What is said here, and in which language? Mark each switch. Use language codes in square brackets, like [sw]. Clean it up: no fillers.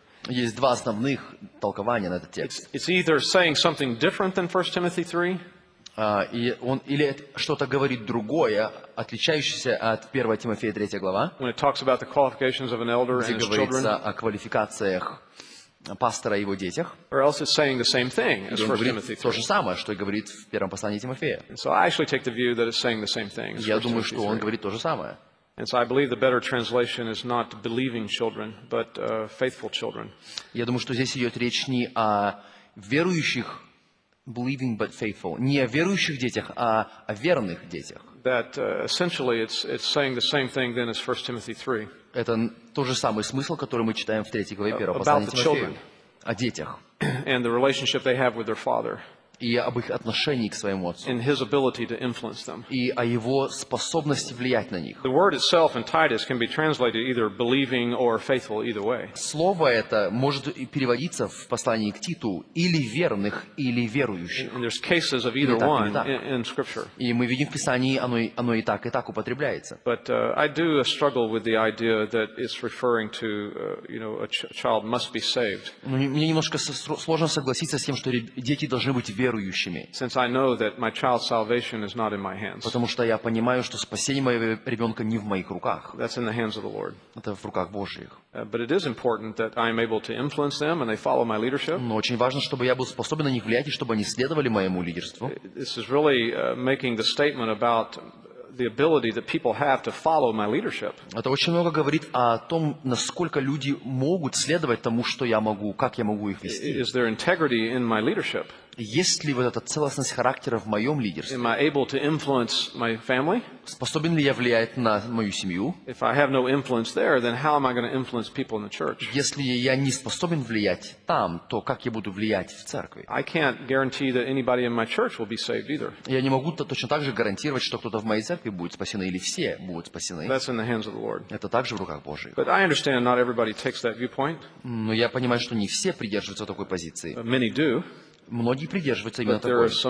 [ru] Есть два основных толкования на этот текст. [en] It's either saying something different than 1 Timothy 3. [ru] И он, или что-то говорит другое, отличающееся от 1 Тимофея 3 глава, [en] when it talks about the qualifications of an elder and his children, [ru] где говорится о квалификациях пастора и его детях, [en] or else it's saying the same thing as 1 Timothy 3. [ru] То же самое, что и говорит в первом послании Тимофея. [en] And so I actually take the view that it's saying the same thing. [ru] Я думаю, что он говорит то же самое. [en] And so I believe the better translation is not believing children, but faithful children. [ru] Я думаю, что здесь идет речь не о верующих, [en] believing but faithful. [ru] Не о верующих детях, а о верных детях. [en] That essentially it's saying the same thing then as 1 Timothy 3. [ru] Это тот же самый смысл, который мы читаем в 3 главе 1 послания Тимофею. О детях. [en] And the relationship they have with their father. [ru] И об их отношении к своему отцу. [en] And his ability to influence them. [ru] И о его способности влиять на них. [en] The word itself in Titus can be translated either believing or faithful either way. [ru] Слово это может переводиться в послании к Титу или верных, или верующих. [en] And there's cases of either one in Scripture. [ru] И мы видим в Писании, оно и так употребляется. [en] But I do struggle with the idea that it's referring to, you know, a child must be saved. [ru] Мне немножко сложно согласиться с тем, что дети должны быть [en] Since I know that my child's salvation is not in my hands. [ru] Потому что я понимаю, что спасение моего ребенка не в моих руках. [en] That's in the hands of the Lord. [ru] Это в руках Божьих. [en] But it is important that I am able to influence them and they follow my leadership. [ru] Но очень важно, чтобы я был способен на них влиять и чтобы они следовали моему лидерству. [en] This is really making the statement about the ability that people have to follow my leadership. [ru] Это очень много говорит о том, насколько люди могут следовать тому, что я могу, как я могу их вести. [en] Is there integrity in my leadership? [ru] Есть ли вот эта целостность характера в моем лидерстве? [en] Am I able to influence my family? [ru] Способен ли я влиять на мою семью? [en] If I have no influence there, then how am I going to influence people in the church? [ru] Если я не способен влиять там, то как я буду влиять в церкви? [en] I can't guarantee that anybody in my church will be saved either. [ru] Я не могу точно так же гарантировать, что кто-то в моей церкви будет спасен или все будут спасены. [en] That's in the hands of the Lord. [ru] Это также в руках Божьих. [en] But I understand not everybody takes that viewpoint. [ru] Но я понимаю, что не все придерживаются такой позиции. [en] Many do. [ru] Многие придерживаются именно такой.